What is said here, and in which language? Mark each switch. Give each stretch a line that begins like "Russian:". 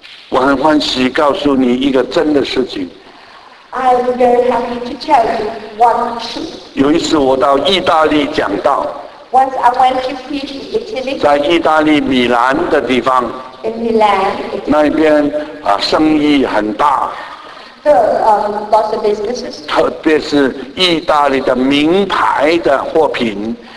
Chinese: 我很欢喜告诉你一个真的事情。
English: I am very happy to tell you one truth.
Chinese: 有一次我到意大利讲道。
English: Once I went to preach in Italy.
Chinese: 在意大利米兰的地方。那边生意很大。
English: Lots of businesses.
Chinese: 特别是意大利的名牌的货品。